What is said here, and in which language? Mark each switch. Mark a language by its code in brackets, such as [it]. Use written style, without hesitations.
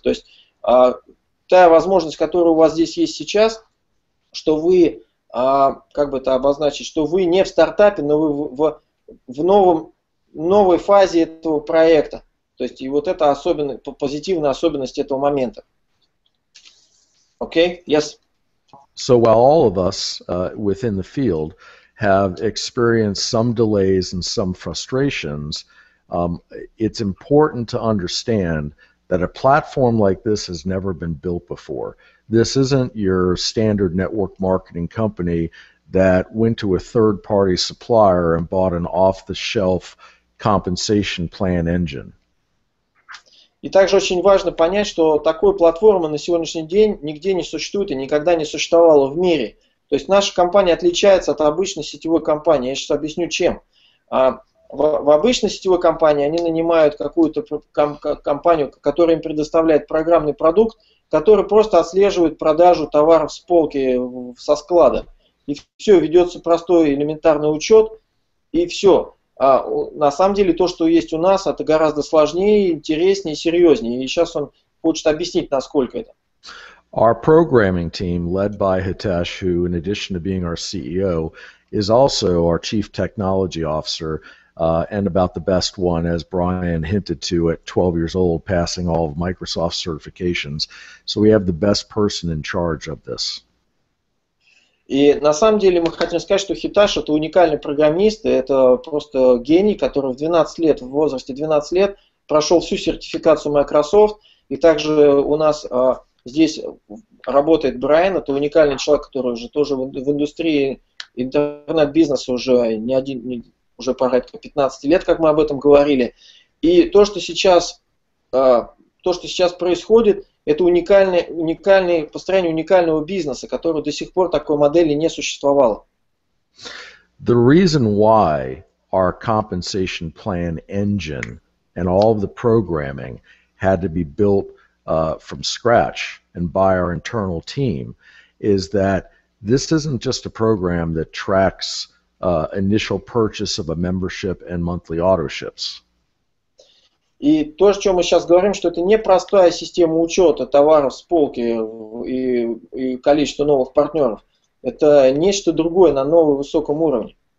[ru] То есть та возможность, которая у вас здесь есть сейчас, что вы, как бы это обозначить, что вы не в стартапе, но вы в новой фазе этого проекта. То есть и вот это позитивная особенность этого момента. Окей? [en] Okay? Yes? So while all of us within the field have experienced some delays and some frustrations, it's important to understand that a platform like this has never been built before. This isn't your standard network marketing company that went to a third-party supplier and bought an off-the-shelf compensation plan engine. [ru] И также очень важно понять, что такой платформы на сегодняшний день нигде не существует и никогда не существовало в мире. То есть наша компания отличается от обычной сетевой компании. Я сейчас объясню, чем. В обычной сетевой компании они нанимают какую-то компанию, которая им предоставляет программный продукт, который просто отслеживает продажу товаров с полки со склада. И все, ведется простой элементарный учет, и все. А на самом деле то, что есть у нас, это гораздо сложнее, интереснее и серьезнее. И сейчас он хочет объяснить, насколько это. [en] Our programming team, led by Hitesh, who, in addition to being our CEO, is also our chief technology officer, and about the best one, as Brian hinted to, at 12 years old, passing all of Microsoft certifications. So we have the best person in charge of this. [ru] И на самом деле мы хотим сказать, что Hitesh — это уникальный программист, это просто гений, который в 12 лет, в возрасте 12 лет, прошел всю сертификацию Microsoft. И также у нас здесь работает Брайан, это уникальный человек, который уже тоже в индустрии интернет-бизнеса уже не один, не, уже порядка 15 лет, как мы об этом говорили. И то, что сейчас происходит, это уникальное построение уникального бизнеса, который до сих пор такой модели не существовало. [en] The reason why our compensation plan engine and all of the programming had to be built from scratch and by our internal team is that this isn't just a program that tracks initial purchase of a membership and monthly autoships. [ru] И то, о чем мы сейчас говорим, что это не простая система учета товаров с полки и количества новых партнеров. Это нечто другое на новом высоком уровне.